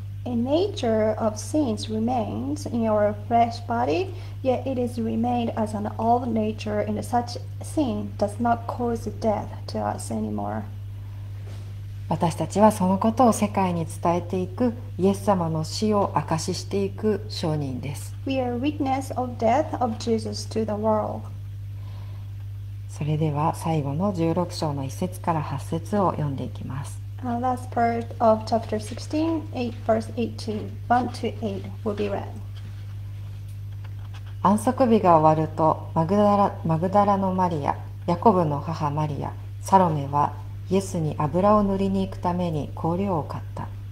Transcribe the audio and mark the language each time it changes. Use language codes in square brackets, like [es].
[en] A nature of sins remains in your fresh body, yet it is remained as an old nature, and such sin does not cause death to us anymore. [ja] 私たちはそのことを世界に伝えていく、イエス様の死を証ししていく証人です。 [en] We are witness of death of Jesus to the world. [ja] それでは最後の16章の1節から8節を読んでいきます。 [en] A last part of chapter 16, 8, verse 18, 1 to 8 will be read. [ja] 安息日が終わると、マグダラのマリア、ヤコブの母マリア、サロメはイエスに油を塗りに行くために香料を買った。